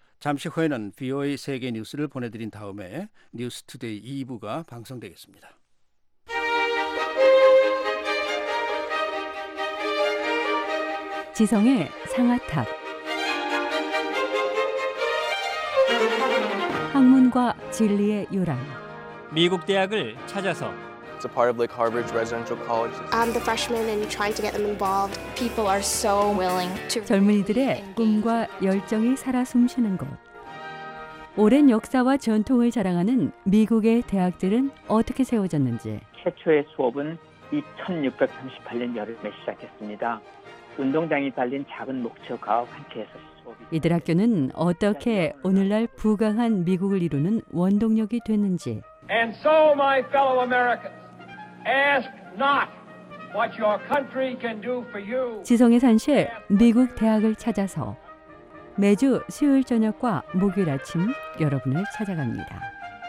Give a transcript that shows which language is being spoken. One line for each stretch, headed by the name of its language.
Korean: 잠시 후에는 VOA 세계 뉴스를 보내드린 다음에 뉴스 투데이 2부가 방송되겠습니다. 지성의 상아탑 학문과 진리의 요람 미국 대학을 찾아서
English: It's a part of like Harvard's residential college. I'm the freshman and trying to get them involved. People are so willing to
Korean: 젊은이들의 꿈과 열정이 살아 숨쉬는 곳. 오랜 역사와 전통을 자랑하는 미국의 대학들은 어떻게 세워졌는지. 최초의 수업은 1638년 여름에 시작했습니다. 운동장이 달린 작은 목표가 함께해서 이들 학교는 어떻게 오늘날 부강한 미국을 이루는 원동력이 됐는지.
English: And so, my fellow Americans, ask not what your country can do for you.
Korean: 지성의 산실, 미국 대학을 찾아서 매주 수요일 저녁과 목요일 아침 여러분을 찾아갑니다.